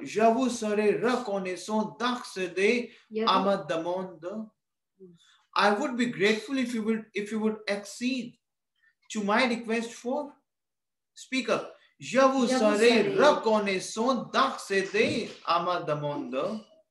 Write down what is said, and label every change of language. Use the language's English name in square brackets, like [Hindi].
[French] Je vous serai reconnaissant d'accéder à ma demande. [English] I would be grateful if you would accede to my request for. Speak up. [French] Je vous serai reconnaissant d'accéder à ma demande.